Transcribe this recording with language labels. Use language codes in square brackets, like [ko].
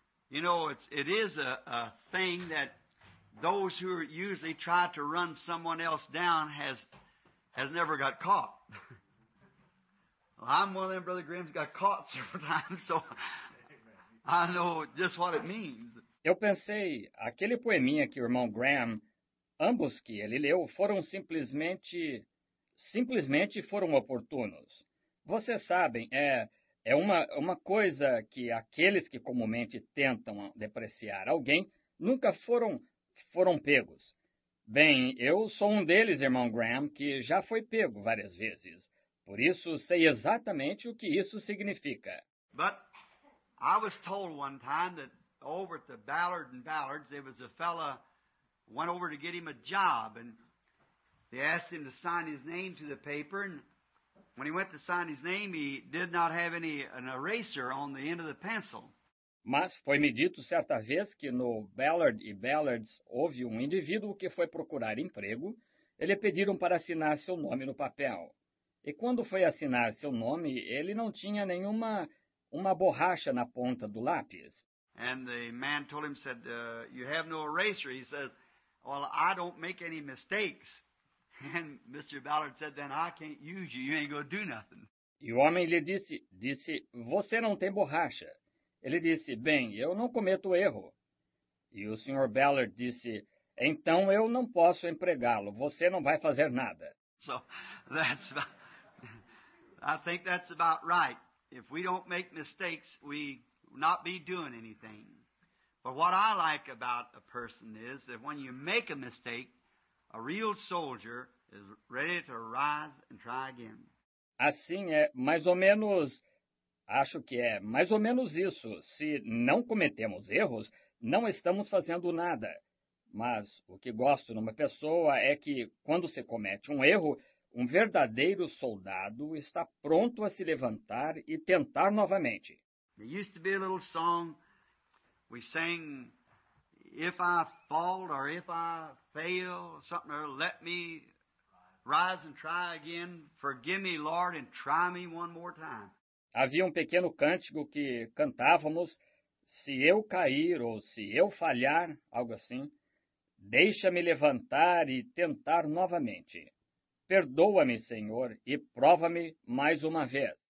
[en] You know, it is a thing that those who usually try to run someone else down has never got caught. Well, I'm one of them, Brother Graham's got caught several times, so I know just what it means. [pt] Eu pensei, aquele poeminha que o irmão Graham, ambos que ele leu, foram simplesmente foram oportunos. Vocês sabem, é uma coisa que aqueles que comumente tentam depreciar alguém nunca foram pegos. Bem, eu sou um deles, irmão Graham, que já foi pego várias vezes. Por isso, sei exatamente o que isso significa. [en] But I was told one time that over at the Ballard and Ballard's, there was a fella went over to get him a job, and they asked him to sign his name to the paper, and when he went to sign his name, he did not have an eraser on the end of the pencil. [pt] Mas foi-me dito certa vez que no Ballard e Ballard's houve um indivíduo que foi procurar emprego. Ele pediram para assinar seu nome no papel. E quando foi assinar seu nome, ele não tinha nenhuma borracha na ponta do lápis. [en] And the man told him, said, you have no eraser. He said, well, I don't make any mistakes. And Mr. Ballard said, then I can't use you. You ain't gonna do nothing. [pt] E o homem lhe disse, você não tem borracha. Ele disse, bem, eu não cometo erro. E o Sr. Ballard disse, então eu não posso empregá-lo, você não vai fazer nada. [en] So, that's about, I think that's about right. If we don't make mistakes, we not be doing anything. But what I like about a person is that when you make a mistake, a real soldier is ready to rise and try again. [pt] Assim é mais ou menos. Acho que é mais ou menos isso. Se não cometemos erros, não estamos fazendo nada. Mas o que gosto numa pessoa é que, quando se comete um erro, um verdadeiro soldado está pronto a se levantar e tentar novamente. [en] There used to be a little song we sang, if I fall or if I fail, something or let me rise and try again, forgive me, Lord, and try me one more time. [pt] Havia um pequeno cântico que cantávamos, se eu cair ou se eu falhar, algo assim, deixa-me levantar e tentar novamente. Perdoa-me, Senhor, e prova-me mais uma vez.